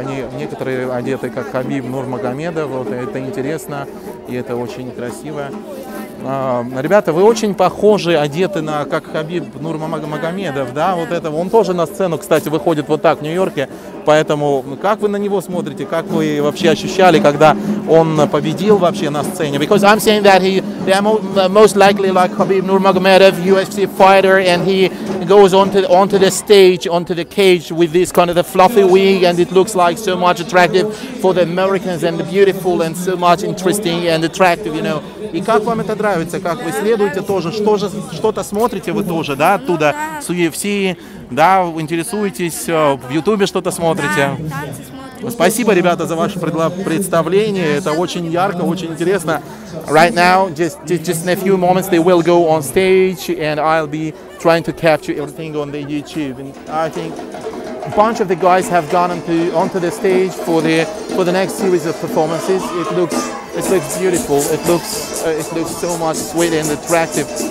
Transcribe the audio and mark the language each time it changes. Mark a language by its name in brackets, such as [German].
[Russian] Они некоторые одеты как Хабиб Нурмагомедов. Вот это интересно и это очень красиво. Ребята, вы очень похожи, одеты на как Хабиб Нурмагомедов, да? Вот это он тоже на сцену, кстати, выходит вот так в Нью-Йорке. Поэтому как вы на него смотрите? Как вы вообще ощущали, когда он победил вообще на сцене? [English] Because I'm saying that they are most likely like Khabib Nurmagomedov, UFC fighter, and he goes onto the stage, onto the cage with this kind of the fluffy wig, and it looks like so much attractive for the Americans, and beautiful, and so much interesting and attractive, you know. [Russian] И как вам это нравится? Как вы следуете тоже? Что-то смотрите вы тоже, да, оттуда, с UFC? Да, вы интересуетесь, в Ютубе что-то смотрите. Да, спасибо, ребята, за ваше представление. Это очень ярко, очень интересно. [English] Right now, just in a few moments, they will go on stage, and I'll be trying to capture everything on the YouTube. And I think a bunch of the guys have gone onto the stage for the next series of performances. It looks beautiful. It looks so much sweet and attractive.